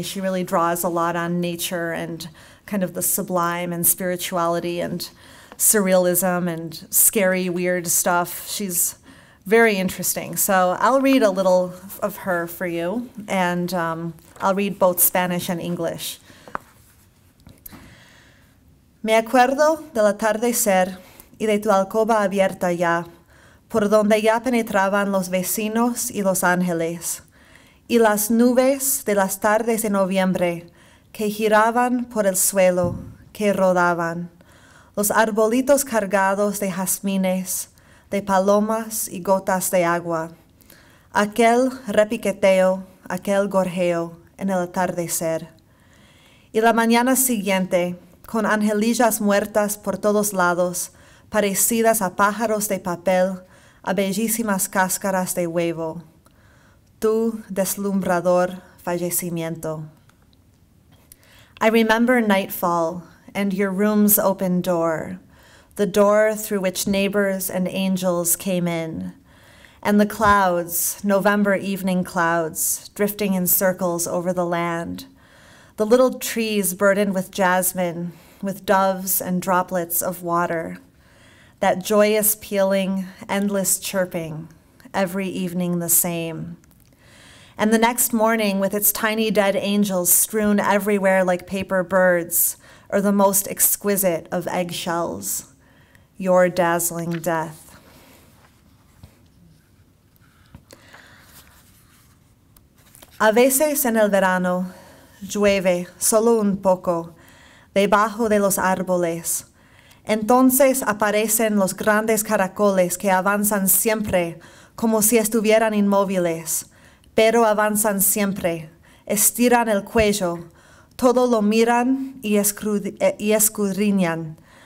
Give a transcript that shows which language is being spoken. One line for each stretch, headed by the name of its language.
English: She really draws a lot on nature and kind of the sublime and spirituality and surrealism and scary, weird stuff. She's very interesting. So I'll read a little of her for you, and I'll read both Spanish and English.
Spanish: Me acuerdo del atardecer y de tu alcoba abierta ya, por donde ya penetraban los vecinos y los ángeles, y las nubes de las tardes de noviembre que giraban por el suelo, que rodaban. Los arbolitos cargados de jazmines, de palomas y gotas de agua. Aquel repiqueteo, aquel gorjeo en el atardecer. Y la mañana siguiente, con angelillas muertas por todos lados, parecidas a pájaros de papel, a bellísimas cáscaras de huevo. Tu deslumbrador fallecimiento.
English: I remember nightfall and your room's open door, the door through which neighbors and angels came in, and the clouds, November evening clouds, drifting in circles over the land, the little trees burdened with jasmine, with doves and droplets of water, that joyous pealing, endless chirping, every evening the same. And the next morning, with its tiny dead angels strewn everywhere like paper birds, or the most exquisite of eggshells, your dazzling death.
Spanish: A veces en el verano, llueve solo un poco, debajo de los árboles. Entonces aparecen los grandes caracoles que avanzan siempre como si estuvieran inmóviles, pero avanzan siempre, estiran el cuello, todo lo miran y escudriñan.